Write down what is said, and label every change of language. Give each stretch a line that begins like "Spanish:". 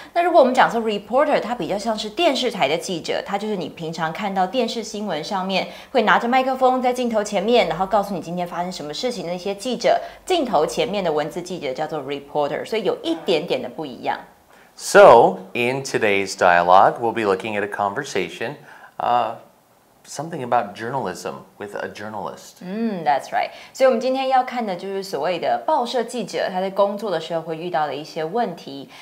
Chinese: 那如果我们讲说 reporter， 它比较像是电视台的记者，它就是你平常看到电视新闻上面会拿着麦克风在镜头前面，然后告诉你今天发生什么事情的一些记者，镜头前面的文字记者叫做 reporter。所以有一点点的不一样。
English: So, in today's dialogue, we'll be looking at a conversation, something about journalism with a journalist. That's right.
Chinese: 所以我们今天要看的就是所谓的报社记者，他在工作的时候会遇到的一些问题。